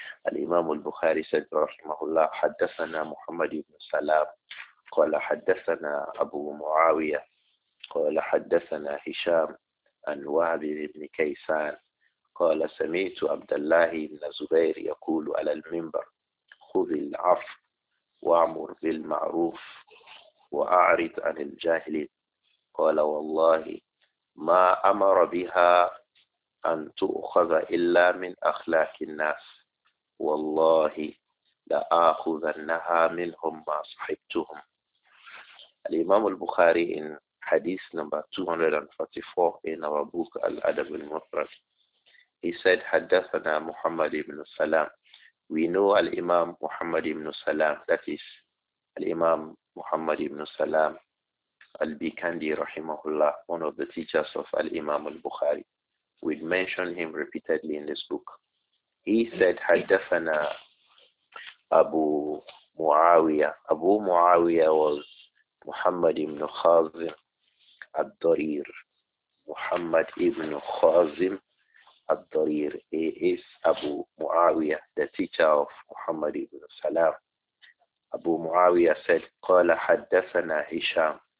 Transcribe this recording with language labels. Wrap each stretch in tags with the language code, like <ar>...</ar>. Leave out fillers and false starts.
<ar>Al-Imam al-Bukhari said, rahmahullah, haddathana Muhammad ibn Salam, qala haddathana Abu Muawiyah, قال حدثنا هشام عن وابر بن كيسان قال سمعت عبد الله بن زبير يقول على المنبر خذ العفو وأمر بالمعروف وأعرض عن الجاهلين قال والله ما أمر بها أن تؤخذ إلا من أخلاق الناس والله لآخذنها منهم ما صحبتهم.</ar> <en>الإمام البخاري in Hadith number 244 in our book Al-Adab al-Mufrad, he said,</en> <ar>حدثنا محمد بن سلام.</ar> <en>We know Al-Imam Muhammad ibn Salam, that is Al-Imam Muhammad ibn Salam Al-Bikandi rahimahullah, one of the teachers of Al-Imam al-Bukhari. We mention him repeatedly in this book. He said,</en> <ar>حدثنا أبو معاوية.</ar> <en>أبو معاوية was Muhammad ibn Khazim al-Darir. Muhammad ibn Khazim al-Darir. He is Abu Muawiyah, the teacher of Muhammad ibn Salam. Abu Muawiyah said,</en> <ar>قَالَ حَدَّثَنَا</ar> <en>Hisham.</en>